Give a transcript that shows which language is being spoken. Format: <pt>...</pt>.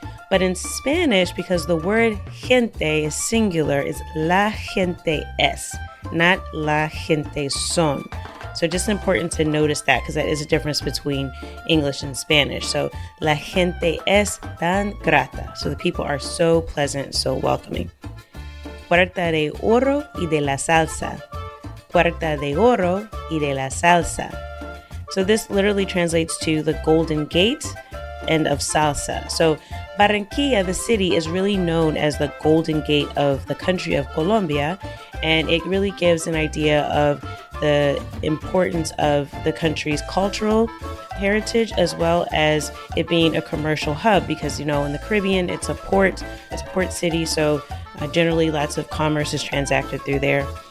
<en>But in Spanish, because the word gente is singular, is</en> <es>la gente es,</es> <en>not</en> <es>la gente son.</es> <en>So just important to notice that, because that is a difference between English and Spanish. So</en> <es>la gente es tan grata.</es> <en>So the people are so pleasant, so welcoming.</en> <es>Puerta de oro y de la salsa. Puerta de oro y de la salsa.</es> <en>So this literally translates to the golden gate and of salsa. So Barranquilla, the city, is really known as the golden gate of the country of Colombia. And it really gives an idea of the importance of the country's cultural heritage, as well as it being a commercial hub, because, you know, in the Caribbean, it's a port city, so generally lots of commerce is transacted through there.</en>